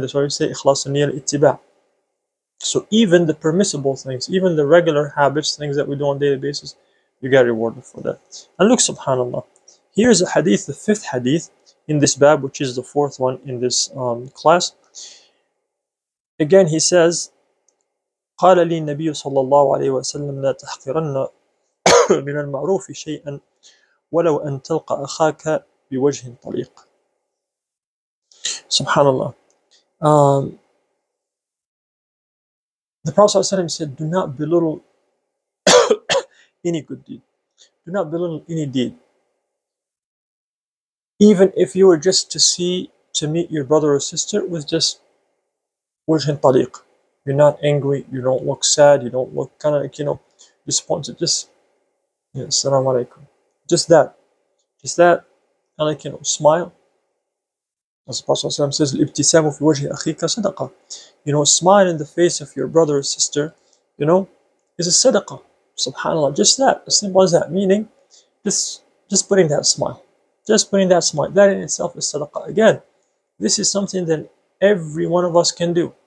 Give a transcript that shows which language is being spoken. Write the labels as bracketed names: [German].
[English] That's why we say ikhlas and niyyah al-ittiba. So even the permissible things, even the regular habits, things that we do on a daily basis, you get rewarded for that. And look, subhanAllah, here's a hadith, the fifth hadith in this bab, which is the fourth one in this class. Again, he says, [Arabic] قال لي النبي صلى الله عليه وسلم لا تحقرن من المعروف شيئا ولو أن تلقى أخاك بوجه طليق. سبحان الله. [English] The Prophet ﷺ said, do not belittle any good deed. Do not belittle any deed. Even if you were just to see, to meet your brother or sister with just [Arabic] وجه طليق. [English] You're not angry, you don't look sad, you don't look kind of like, you know, disappointed. Just, you know, assalamu alaikum. Just that. And like, you know, smile. As the Prophet ﷺ says, [Arabic] الابتسام في وجه أخيك صدقة. [English] You know, smile in the face of your brother or sister, you know, is a sadaqa. SubhanAllah. Just that. As simple as that. Meaning, just putting that smile. Just putting that smile. That in itself is sadaqa. Again, this is something that every one of us can do.